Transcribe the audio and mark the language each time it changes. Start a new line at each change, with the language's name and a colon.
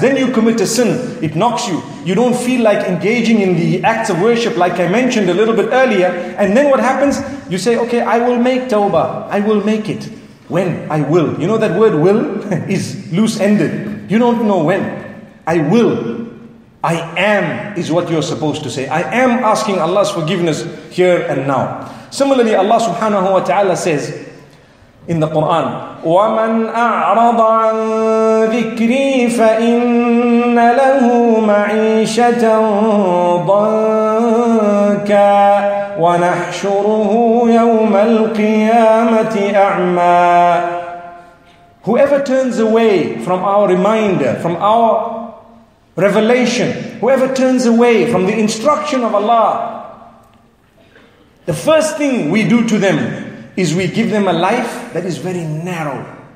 English: Then you commit a sin, it knocks you. You don't feel like engaging in the acts of worship like I mentioned a little bit earlier. And then what happens? You say, okay, I will make tawbah. I will make it. When? I will. You know that word will is loose-ended. You don't know when. I will. I am is what you're supposed to say. I am asking Allah's forgiveness here and now. Similarly, Allah subhanahu wa ta'ala says in the Quran,
Arabic: وَمَنْ أَعْرَضَ عَنْ ذِكْرِي فَإِنَّ لَهُ مَعِيشَةً ضَنْكَى وَنَحْشُرُهُ يَوْمَ الْقِيَامَةِ أَعْمَى.
English: Whoever turns away from our reminder, from our revelation, whoever turns away from the instruction of Allah, the first thing we do to them is we give them a life that is very narrow.